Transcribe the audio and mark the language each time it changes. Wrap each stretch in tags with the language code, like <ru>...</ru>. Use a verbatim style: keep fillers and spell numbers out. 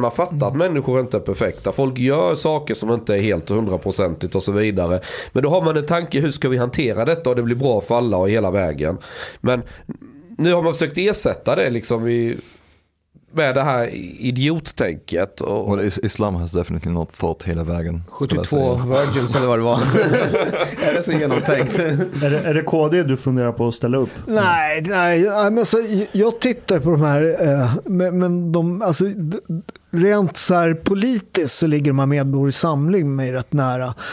<sv>Man fattar mm. att människor inte är perfekta. Folk gör saker som inte är helt hundraprocentigt och så vidare. Men då har man en tanke, hur ska vi hantera detta? Och det blir bra för alla och hela vägen. Men nu har man försökt ersätta det liksom i med det här idiottänket. Och...</sv> <en>Well, is- Islam has definitely not thought</en> <sv>hela vägen. sjuttiotvå virgins eller vad det var. Är det så genomtänkt? är, det, är det K D du funderar på att ställa upp? Nej, nej men alltså, jag tittar på de här, eh, men, men de, alltså, rent så här politiskt så ligger de här Medborgerlig Samling mig rätt nära.</sv>